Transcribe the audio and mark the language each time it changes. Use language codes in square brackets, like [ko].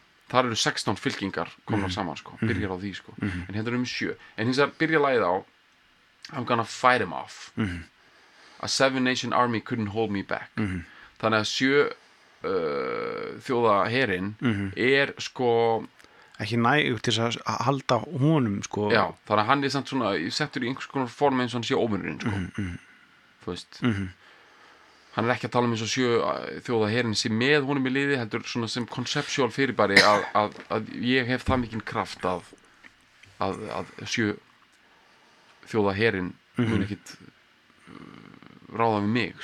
[is] Það eru 16 fylkingar komna saman sko. Byrjar á því sko. En hérna sjö. En hins að byrja lagið á [en] I'm gonna fight him off. A Seven Nation Army couldn't hold me back. [is] Þannig að sjö þjóða herinn er sko ekki nægur til að halda honum sko. Já, þannig að hann er samt svona settur í einhvers konar form eins og hann sé óvinurinn sko. Þú veist hann er ekki að tala um eins og sjö þjóða herin sem með honum í liði heldur svona sem conceptual fyrirbæri að ég hef það mikinn kraft að sjö þjóða herin mun ekkit ráða við mig